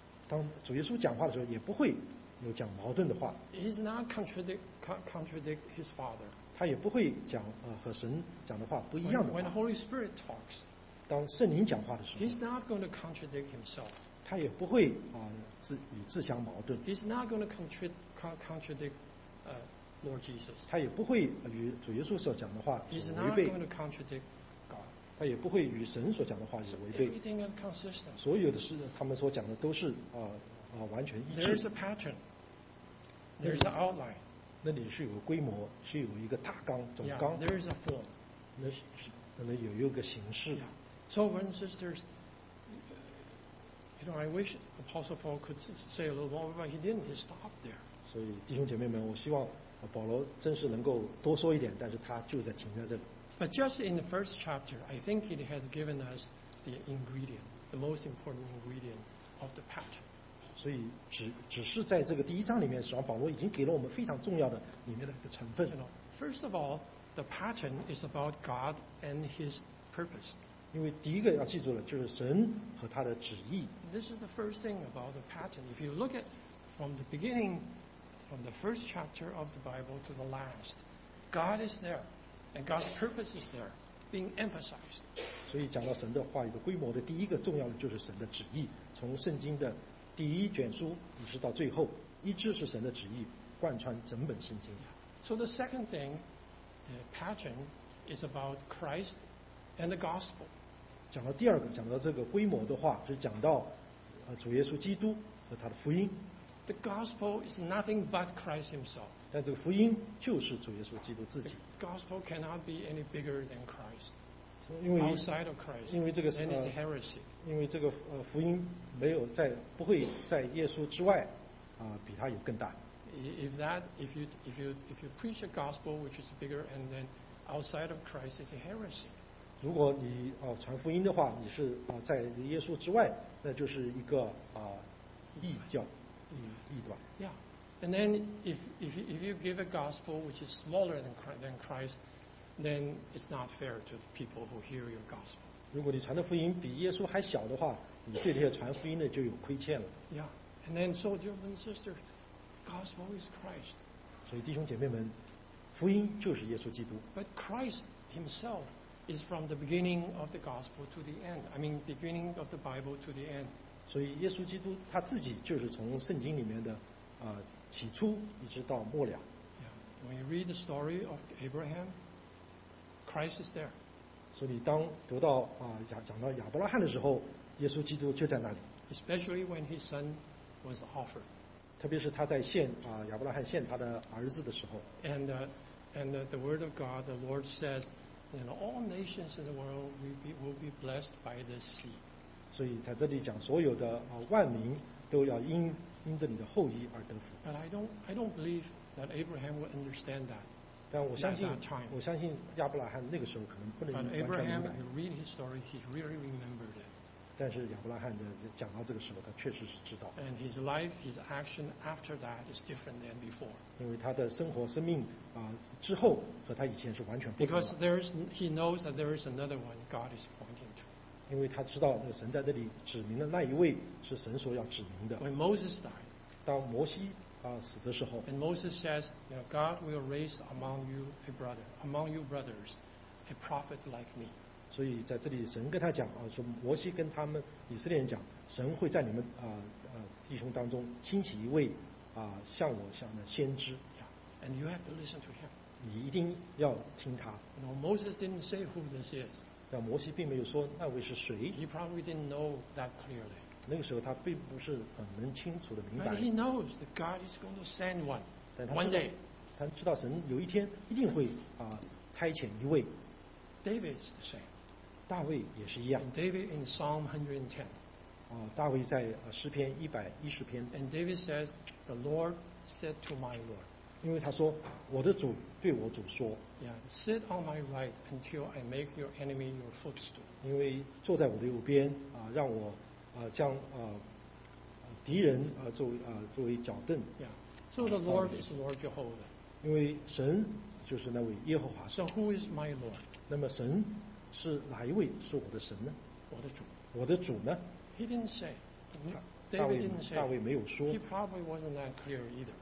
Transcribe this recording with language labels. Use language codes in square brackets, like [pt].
[zh] 当主耶稣讲话的时候，也不会有讲矛盾的话。 [en] He's not contradict His Father. [zh] 他也不会讲和神讲的话不一样的话。 [en] When Holy Spirit talks. [zh] 当圣灵讲话的时候 [en] He's not going to contradict himself. [zh] 他也不会与自相矛盾 [en] He's not going to contradict Lord Jesus. [zh] 他也不会与主耶稣所讲的话所违背 [en] He's not going to contradict God. [zh] 他也不会与神所讲的话所违背 [en] Everything is consistent. [zh] 所有的事他们所讲的都是完全一致 [en] There's a pattern. There's an outline. [zh] 那里是有个规模是有一个大纲总纲 [en] yeah, There's a form. [zh] 那可能有一个形式、 yeah. [en] So, brothers and sisters, you know, I wish Apostle Paul could say a little more, but he didn't. He stopped there. [zh] 所以弟兄姐妹们，我希望保罗真是能够多说一点，但是他就在停在这里。 [en] But just in the first chapter, I think it has given us the ingredient. the most important ingredient of the pattern. [zh] 所以只是在这个第一章里面，实际上保罗已经给了我们非常重要的里面的一个成分。 [en] You know, first of all, the pattern is about God and His purpose. [zh] 因为第一个要记住了，就是神和他的旨意。 [en] This is the first thing about the pattern. If you look at from the beginning, from the first chapter of the Bible to the last, God is there, and God's purpose is there. Being emphasized. [zh] 所以讲到神的话语的规模的第一个重要的就是神的旨意，从圣经的第一卷书一直到最后，一直是神的旨意贯穿整本圣经。 [en] So the second thing, the pattern is about Christ and the gospel. [zh] 讲到第二个，讲到这个规模的话，是讲到主耶稣基督和他的福音。 [en] The gospel is nothing but Christ himself. [zh] 但这个福音就是主耶稣基督自己。 [en] The gospel cannot be any bigger than Christ. [zh] 因为 [en] outside of Christ, [zh] 因为这个 [en] then it's heresy. [zh] 因为这个福音没有在不会在耶稣之外比他有更大。 [en] If you preach a gospel which is bigger and then outside of Christ is a heresy. [zh] 如果你传福音的话，你是在耶稣之外，那就是一个异教。 [en] Yeah, and then if you give a gospel which is smaller than Christ, then it's not fair to the people who hear your gospel. [zh] 如果你传的福音比耶稣还小的话，你对这些传福音的就有亏欠了。 [en] Yeah, and then so, dear brothers and sisters, gospel is Christ. [zh] 所以弟兄姐妹们，福音就是耶稣基督。 [en] But Christ Himself is from the beginning of the gospel to the end. I mean, beginning of the Bible to the end. [zh] 所以耶稣基督他自己就是从圣经里面的起初一直到末了。 Yeah. [en] When you read the story of Abraham, Christ is there. [zh] 所以当读到讲到亚伯拉罕的时候，耶稣基督就在那里。 [en] Especially when his son was offered. [zh] 特别是他在献亚伯拉罕献他的儿子的时候。 [en] And the word of God, the Lord says, you know, all nations in the world will be blessed by this seed. [zh] 所以在这里讲，所有的万民都要因着你的后裔而得福。 [en] But I don't believe that Abraham would understand that. [zh] 但我相信亚伯拉罕那个时候可能不能完全明白。 [en] But Abraham, if you read his story, he really remembered it. [zh] 但是亚伯拉罕的讲到这个时候，他确实是知道。 [en] And his life, his action after that is different than before. [zh] 因为他的生活、生命之后和他以前是完全不同的。 [en] Because he knows that there is another one God is pointing to. [zh] 因为他知道那个神在这里指明的那一位是神所要指明的。 [en] When Moses died, [zh] 当摩西死的时候 [en] ，And Moses says, you know, God will raise among you a brother, among you brothers, a prophet like me. [zh] 所以在这里，神跟他讲说摩西跟他们以色列人讲，神会在你们弟兄当中兴起一位像我像的先知。 [en] Yeah, and you have to listen to him. [zh] 你一定要听他。 [en] You know, Moses didn't say who this is. [zh] 但摩西并没有说那位是谁。 [en] He probably didn't know that clearly. [zh] 那个时候他并不是很能清楚的明白。 [en] But he knows that God is going to send one. One day. [zh] 他知道神有一天一定会差遣一位。 [en] David's the same. [zh] 大卫也是一样。 [en] And David in Psalm 110. [zh] 大卫在诗篇110篇。 [en] And David says, the Lord said to my Lord. [zh] 因为他说我的主对我主说 [en] yeah, sit on my right until I make your enemy your footstool. [zh] 因为坐在我的右边让我将敌人作为脚凳 [en] yeah, so the Lord is Lord Jehovah. [zh] 因为神就是那位耶和华。 [en] So who is my Lord? [zh] 那么神是哪一位是我的神呢？我的主呢 [en] He didn't say. David didn't say. [zh] 大卫没有说。 [en] He probably wasn't that clear either.